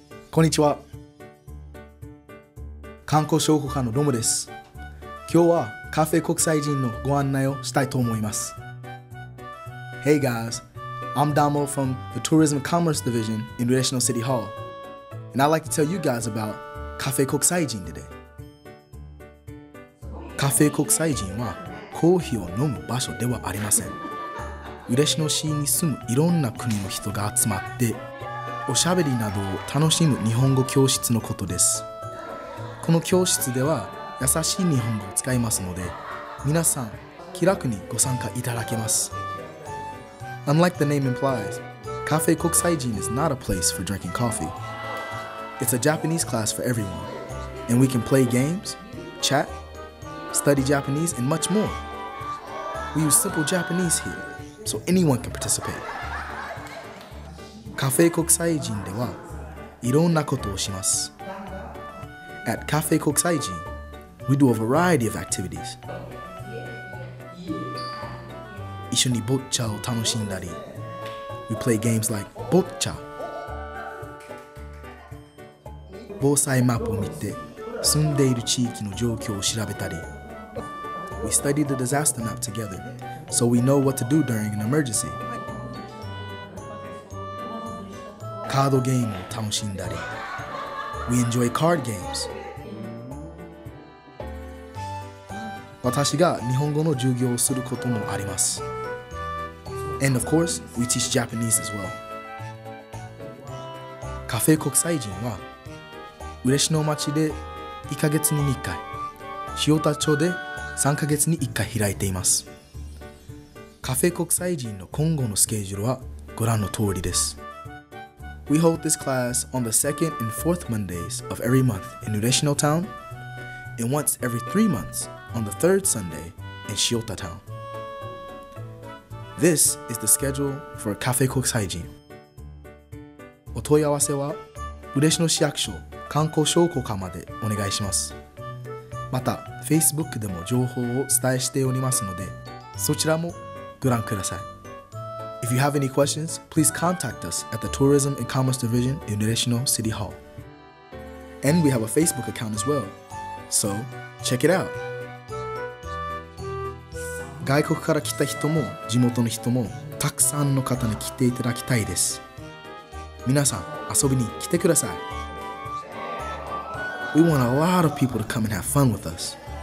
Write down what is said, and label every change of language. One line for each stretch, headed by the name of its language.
Japanese: こんにちは、観光商法課のロムです。今日はカフェ国際人のご案内をしたいと思います。
English: Hey guys, I'm Damo from the Tourism Commerce Division in Relational City Hall, and I'd like to tell you guys aboutカフェ国際人でね。
Japanese: カフェ国際人はコーヒーを飲む場所ではありません。嬉野市に住むいろんな国の人が集まっておしゃべりなどを楽しむ日本語教室のことです。この教室では優しい日本語を使いますので、皆さん気楽にご参加いただけます。
English: Unlike the name implies, カフェ国際人 is not a place for drinking coffeeIt's a Japanese class for everyone, and we can play games, chat, study Japanese, and much more. We use simple Japanese here, so anyone can participate. カフェ国際人では、
Japanese: いろんなことをします。
English: At Cafe Kokusaiji, we do a variety of activities.
Japanese: 一緒にボッチャを楽しんだり、
English: We play games like ボッチャ。
Japanese: 防災マップを見て、住んでいる地域の状況を調べたり、
English: We study the disaster map together, so we know what to do during an emergency.
Japanese: カードゲームを楽しんだり、
English: We enjoy card games.
Japanese: 私が日本語の授業をすることもあります。
English: And of course, we teach Japanese as well.
Japanese: カフェ国際人は、嬉野町で1ヶ月に1回、塩田町で3ヶ月に1回開いています。カフェ国際人の今後のスケジュールはご覧の通りです。
English: We hold this class on the second and fourth Mondays of every month in 嬉野 town, and once every 3 months on the third Sunday in 塩田 town. This is the schedule for Cafe Kokusaijin.
Japanese: お問い合わせは嬉野市役所観光商工課までお願いします。また、Facebook でも情報を伝えしておりますので、そちらもご覧ください。
English: If you have any questions, please contact us at the Tourism and Commerce Division in 嬉野 City Hall. And we have a Facebook account as well, so check it out!
Japanese: 外国から来た人も地元の人もたくさんの方に来ていただきたいです。皆さん遊びに来てください。
English: We want a lot of people to come and have fun with us.